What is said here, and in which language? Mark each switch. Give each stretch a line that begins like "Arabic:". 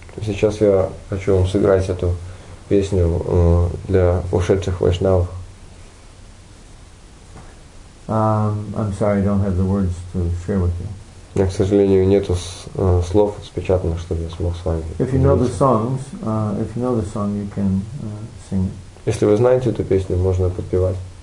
Russian: Сейчас я хочу вам сыграть эту песню для ушедших вайшнав.
English: I'm sorry, I don't have the words to share with you.
Russian: Я, к сожалению, нету слов спечатанных, чтобы я смог с вами.
English: If you know the songs, if you know the song, you can sing it.
Russian: Если вы знаете эту песню, можно подпевать.